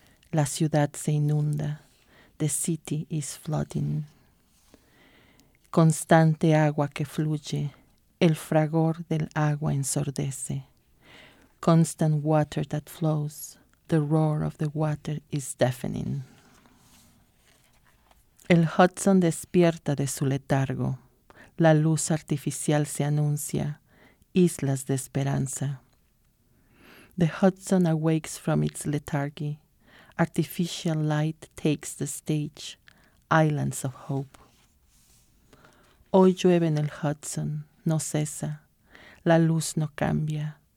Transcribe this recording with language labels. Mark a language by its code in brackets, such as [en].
[es] La ciudad se inunda. [en] The city is flooding. [es] Constante agua que fluye. El fragor del agua ensordece. [en] Constant water that flows, the roar of the water is deafening. [es] El Hudson despierta de su letargo, la luz artificial se anuncia, islas de esperanza. [en] The Hudson awakes from its lethargy, artificial light takes the stage, islands of hope. [es] Hoy llueve en el Hudson, no cesa, la luz no cambia.